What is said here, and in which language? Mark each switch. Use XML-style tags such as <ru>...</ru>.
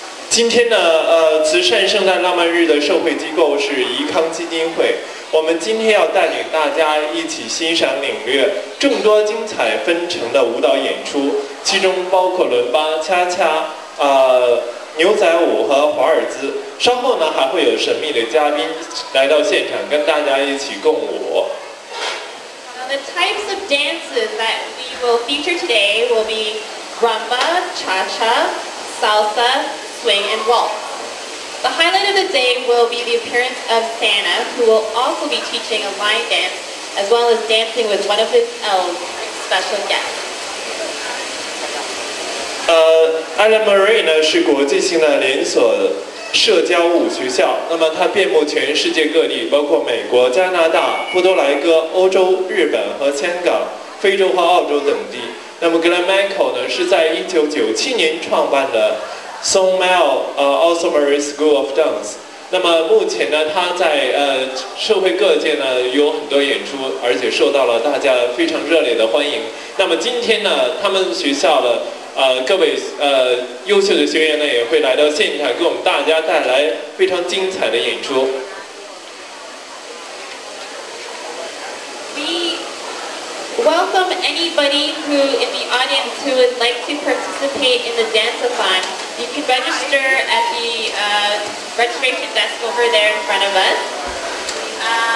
<zh>今天呢慈善圣诞浪漫日的受惠机构是宜康基金会，我们今天要带领大家一起欣赏领略众多精彩纷呈的舞蹈演出，其中包括伦巴、恰恰、牛仔舞和华尔兹，稍后呢还会有神秘的嘉宾来到现场跟大家一起共舞。</zh> <en>The types of dances that we will feature today will be rumba, cha-cha, salsa, swing, and waltz. The highlight of the day will be the appearance of Santa, who will also be teaching a line dance, as well as dancing with one of his elves, special guests.</en> <zh>Adam Murray 呢是国际性的连锁社交舞学校，那么它遍布全世界各地，包括美国、加拿大、波多莱哥、欧洲、日本和香港、非洲和澳洲等地。那么 Glen Michael 呢是在1997年创办的 Song Mel Arthur Murray School of Dance。那么目前呢，它在社会各界呢有很多演出，而且受到了大家非常热烈的欢迎。那么今天呢，他们学校的各位优秀的学员呢也会来到现场，给我们大家带来非常精彩的演出。</zh> <en>We welcome anybody who in the audience who would like to participate in the dance-a-thon. You can register at the registration desk over there in front of us.</en>